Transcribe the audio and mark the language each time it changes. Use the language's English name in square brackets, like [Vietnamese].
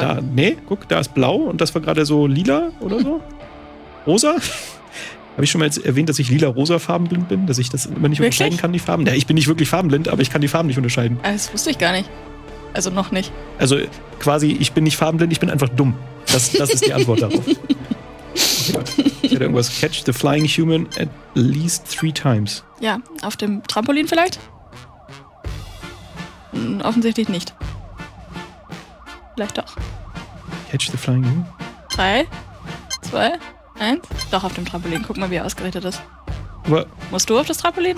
[German] Da, nee, guck, da ist blau und das war gerade so lila oder so. Rosa? Habe ich schon mal erwähnt, dass ich lila-rosa farbenblind bin? Dass ich das immer nicht unterscheiden kann, die Farben? Ja, ich bin nicht wirklich farbenblind, aber ich kann die Farben nicht unterscheiden. Das wusste ich gar nicht. Also noch nicht. Also quasi, ich bin nicht farbenblind, ich bin einfach dumm. Das ist die Antwort darauf. Ich hätte irgendwas. [English] Catch the flying human at least 3 times. [German] Ja, auf dem Trampolin vielleicht? Offensichtlich nicht. Vielleicht doch. [English] Catch the flying human? [German] 3, 2, 1. Doch, auf dem Trampolin. Guck mal, wie er ausgerichtet ist. [English] What? [German] Musst du auf das Trampolin?